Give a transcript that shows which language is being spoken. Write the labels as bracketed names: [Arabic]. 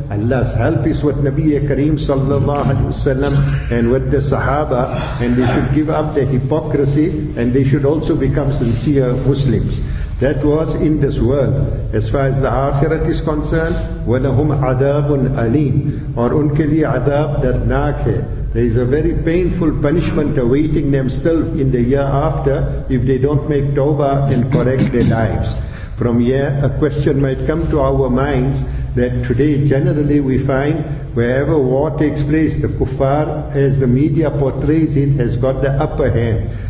[English] Allah's help is with Nabi Kareem sallallahu alayhi wasallam and with the Sahaba, and they should give up their hypocrisy and they should also become sincere Muslims. That was in this world. As far as the Akhirat is concerned, [Arabic] وَلَهُمْ عَذَابٌ أَلِيمٌ. [Urdu] اور ان کے لئے عذاب درناک ہے. [English] There is a very painful punishment awaiting them still in the year after if they don't make tawbah and correct their lives. From here, a question might come to our minds that today generally we find wherever war takes place, the kuffar, as the media portrays it, has got the upper hand.